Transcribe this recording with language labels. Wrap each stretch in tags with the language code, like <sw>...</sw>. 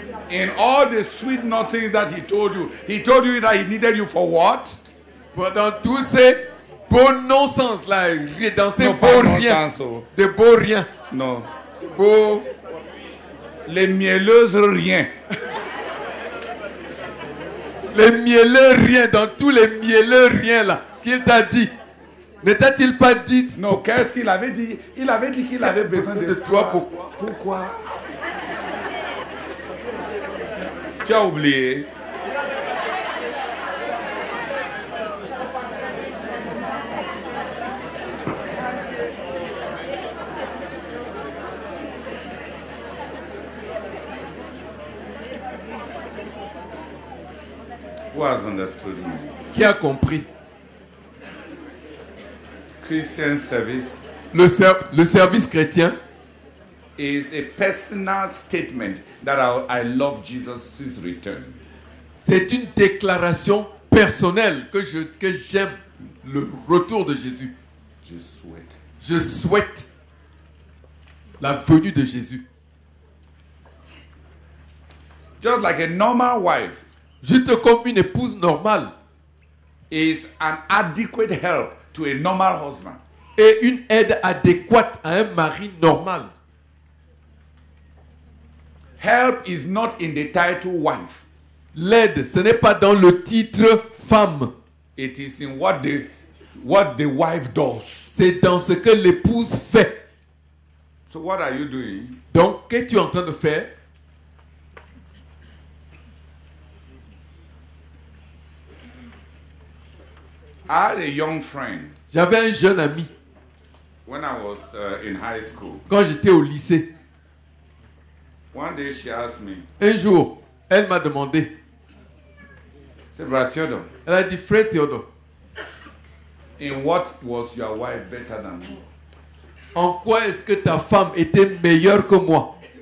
<en>In all the sweet nothings that he told you that he needed you for what?</en> <fr>Pour dans tout ça. Beau non-sens là, dans ces non, beaux riens,</fr> <en>so.</en> <fr>De beaux riens. Non. Beau. Les mielleuses riens. Les mielleux riens, dans tous les mielleux riens là, qu'il t'a dit. Ne t'a-t-il pas dit? Non, qu'est-ce qu'il avait dit? Il avait dit qu'il avait besoin de toi. Pourquoi? Pourquoi? Tu as oublié.</fr> <en>Who has understood me?</en> <fr>Qui a compris?</fr> <en>Christian service.</en> <fr>Le service chrétien</fr> <en>is a personal statement that I love Jesus' return.</en> <fr>C'est une déclaration personnelle que j'aime le retour de Jésus. Je souhaite la venue de Jésus.</fr> <en>Just like a normal wife.</en> <fr>Juste comme une épouse normale</fr> <en>is an adequate help to a normal husband.</en> <fr>Et une aide adéquate à un mari normal.</fr> <en>Help is not in the title wife.</en> <fr>L'aide, ce n'est pas dans le titre femme.</fr> <en>It is in what the wife does.</en> <fr>C'est dans ce que l'épouse fait.</fr> <en>So what are you doing?</en> <fr>Donc, qu'es-tu en train de faire?</fr> <en>I had a young friend.</en> <fr>J'avais un jeune ami.</fr> <en>When I was in high school.</en> <fr>Quand j'étais au lycée.</fr> <en>One day she asked me.</en> <fr>Un jour, elle m'a demandé. C'est Brad Theodore. Elle a dit, Frère Theodore.</fr> <en>In what was your wife better than me?</en> <fr>En quoi est-ce que ta femme était meilleure que moi?</fr>